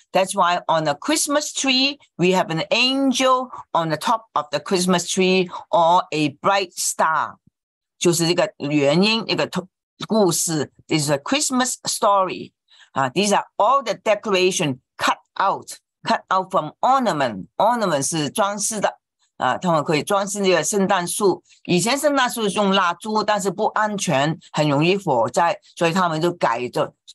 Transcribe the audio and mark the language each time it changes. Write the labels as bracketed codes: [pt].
[en] That's why on a Christmas tree, we have an angel on the top of the Christmas tree or a bright star. [zh] 就是这个原因，一个故事。 [en] This is a Christmas story.、these are all the decoration cut out from ornament. [zh] Ornament 是装饰的、他们可以装饰这个圣诞树。以前圣诞树是用蜡烛，但是不安全，很容易火灾，所以他们就改着。